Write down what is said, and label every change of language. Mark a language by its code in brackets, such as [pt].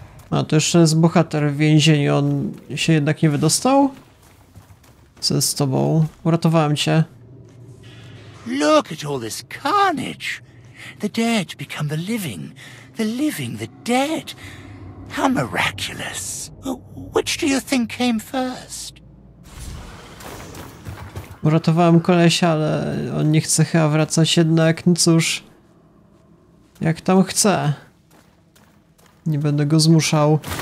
[pl] A, to jeszcze jest bohater w więzieniu, on się jednak nie wydostał? Co jest z tobą? Uratowałem cię. [en] Look at all this carnage. The dead become the living. The living, the dead. How miraculous. Which do you think came first? [pl] Uratowałem kolesia, ale on nie chce chyba wracać jednak. No cóż. Jak tam chce. Nie będę go zmuszał.